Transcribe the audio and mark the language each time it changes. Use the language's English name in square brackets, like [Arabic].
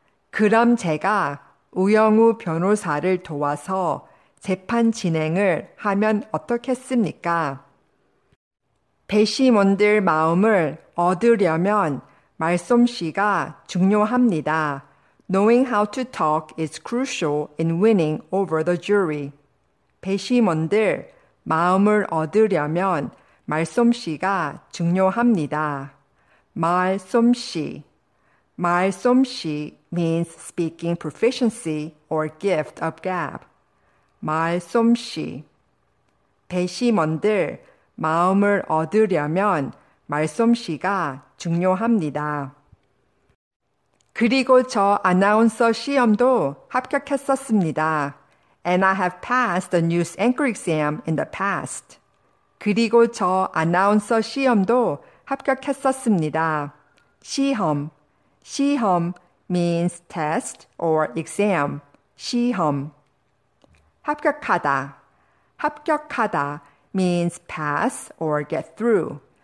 [Korean] 그럼 제가 우영우 변호사를 도와서 재판 진행을 하면 어떻겠습니까? 배심원들 마음을 얻으려면 말솜씨가 중요합니다. [English] Knowing how to talk is crucial in winning over the jury. [Korean] 배심원들 마음을 얻으려면 말솜씨가 중요합니다. [English] 말솜씨. 말솜씨 means speaking proficiency or gift of gab. [Korean] 말솜씨. 배심원들 마음을 얻으려면 말솜씨가 중요합니다. 그리고 저 아나운서 시험도 합격했었습니다. [English] And I have passed the news anchor exam in the past. [Korean] 그리고 저 아나운서 시험도 합격했었습니다. [English] 시험. 시험 means test or exam. 시험. 합격하다. 합격하다 means pass or get through.